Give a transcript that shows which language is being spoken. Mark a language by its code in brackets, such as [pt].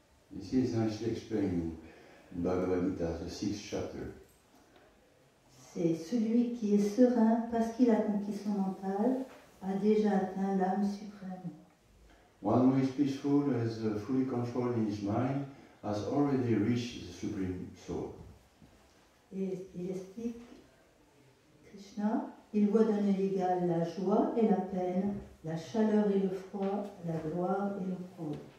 [en] This is actually explained in Bhagavad Gita, the sixth chapter. [fr] C'est celui qui est serein parce qu'il a conquis son mental a déjà atteint l'âme suprême. [en] One who is peaceful has fully controlled his mind has already reached the supreme soul. [fr] Et il explique Krishna, il voit d'un œil égal la joie et la peine, la chaleur et le froid, la gloire et le froid.